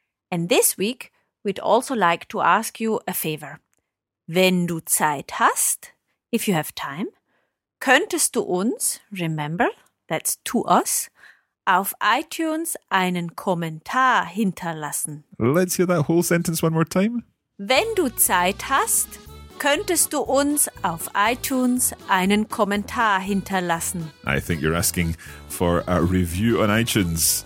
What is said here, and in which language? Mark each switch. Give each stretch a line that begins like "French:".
English: And this week, we'd also like to ask you a favor.
German: Wenn du Zeit hast,
English: if you have time,
German: könntest du uns,
English: remember, that's to us,
German: auf iTunes einen Kommentar hinterlassen.
English: Let's hear that whole sentence one more time.
German: Wenn du Zeit hast, könntest du uns auf iTunes einen Kommentar hinterlassen?
English: I think you're asking for a review on iTunes.